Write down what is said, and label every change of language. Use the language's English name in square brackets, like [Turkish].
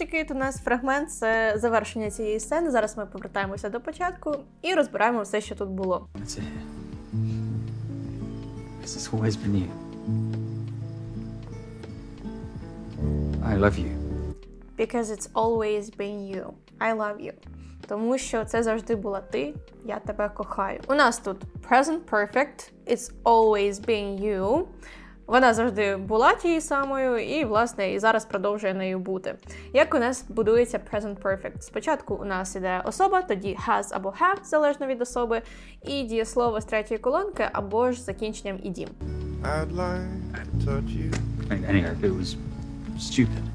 [Ukrainian] У нас фрагмент – це завершення цієї сцени. Зараз ми повертаємося до початку і розбираємо все, що тут було. Це here. [English] This has always been you. I love you. Because it's always been you. I love you. [Ukrainian] Тому що це завжди була ти, я тебе кохаю. У нас тут present perfect, [English] it's always been you. [Ukrainian] Вона завжди була тією самою і, власне, і зараз продовжує нею бути. Як у нас будується present perfect? Спочатку у нас іде особа, тоді has або have, залежно від особи, і дієслово з третьої колонки або ж закінченням «іді». [English] I'd like to touch you.